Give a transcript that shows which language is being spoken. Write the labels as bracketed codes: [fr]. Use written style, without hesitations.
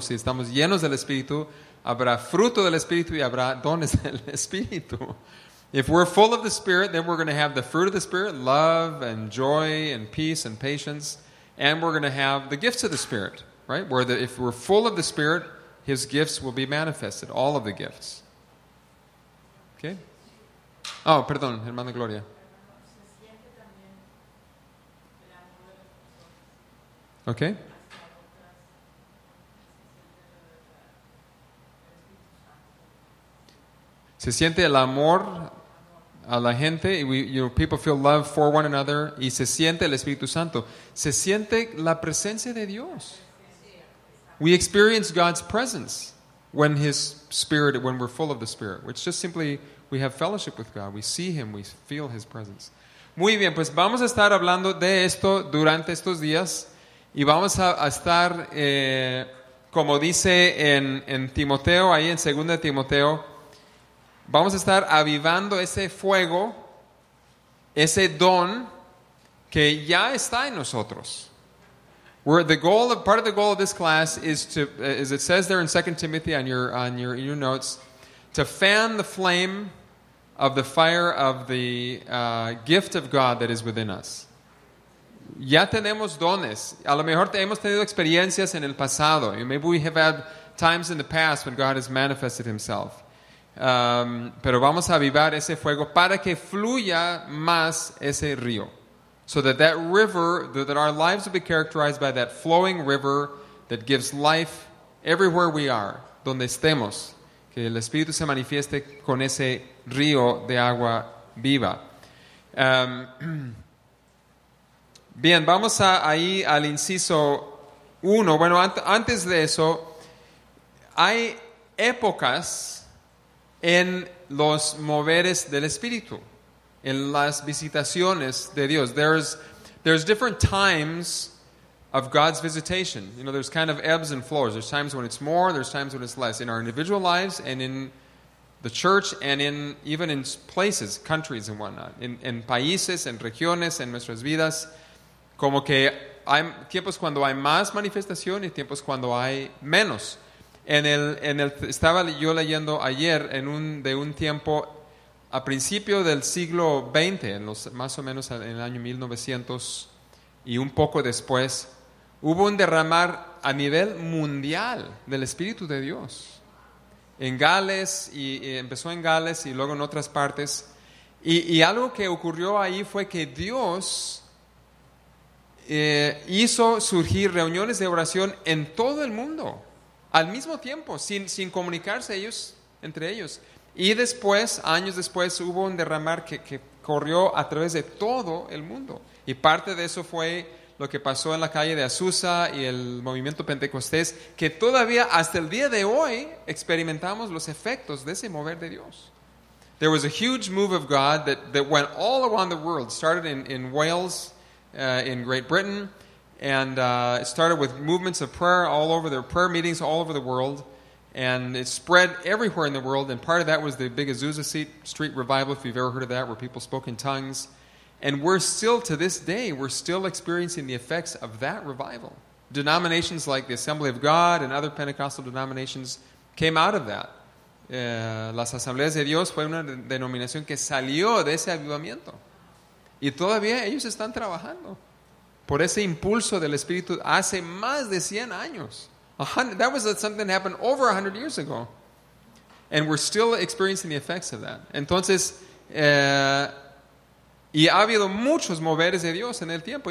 [es] Si estamos llenos del Espíritu, habrá fruto del Espíritu y habrá dones del Espíritu. [en] If we're full of the Spirit, then we're going to have the fruit of the Spirit, love and joy and peace and patience, and we're going to have the gifts of the Spirit, right? If we're full of the Spirit, His gifts will be manifested, all of the gifts. [es] Okay? Oh, perdón, hermana Gloria. Okay? Se siente el amor a la gente, [en] people feel love for one another, [es] y se siente el Espíritu Santo. Se siente la presencia de Dios. [en] We experience God's presence when we're full of the Spirit, which just simply we have fellowship with God. We see Him, we feel His presence. [es] Muy bien, pues vamos a estar hablando de esto durante estos días y vamos a estar, como dice en Timoteo, ahí en 2 Timoteo, vamos a estar avivando ese fuego, ese don que ya está en nosotros. [en] Part of the goal of this class is to, as it says there in 2 Timothy on your notes, to fan the flame of the fire of the gift of God that is within us. [es] Ya tenemos dones. A lo mejor hemos tenido experiencias en el pasado. [en] Maybe we have had times in the past when God has manifested Himself. [es] Pero vamos a avivar ese fuego para que fluya más ese río. [en] So that river, that our lives will be characterized by that flowing river that gives life everywhere we are, [es] donde estemos. Que el Espíritu se manifieste con ese río de agua viva. Bien, vamos ahí al inciso 1. Bueno, antes de eso, hay épocas en los moveres del Espíritu. En las visitaciones de Dios. [en] There's different times of God's visitation. You know, there's kind of ebbs and flows. There's times when it's more, there's times when it's less. In our individual lives and in the church and in even in places, countries and whatnot. [es] En países, en regiones, en nuestras vidas. Como que hay tiempos cuando hay más manifestación y tiempos cuando hay menos. Estaba yo leyendo ayer de un tiempo a principio del siglo XX, más o menos en el año 1900 y un poco después, hubo un derramar a nivel mundial del Espíritu de Dios. En Gales, y empezó en Gales y luego en otras partes. Y algo que ocurrió ahí fue que Dios hizo surgir reuniones de oración en todo el mundo, al mismo tiempo, sin comunicarse ellos entre ellos. Y después, años después, hubo un derramar que corrió a través de todo el mundo. Y parte de eso fue lo que pasó en la calle de Azusa y el movimiento Pentecostés, que todavía hasta el día de hoy experimentamos los efectos de ese mover de Dios. [en] There was a huge move of God that went all around the world. It started in Wales, in Great Britain, and it started with movements of prayer all over their prayer meetings all over the world, and it spread everywhere in the world, and part of that was the big Azusa Street Revival, if you've ever heard of that, where people spoke in tongues. And we're still, to this day, we're still experiencing the effects of that revival. Denominations like the Assembly of God and other Pentecostal denominations came out of that. [es] Las Asambleas de Dios fue una denominación que salió de ese avivamiento. Y todavía ellos están trabajando por ese impulso del Espíritu hace más de 100 años. [en] That was something that happened over 100 years ago. And we're still experiencing the effects of that. [es] Entonces, y ha habido muchos moveres de Dios en el tiempo.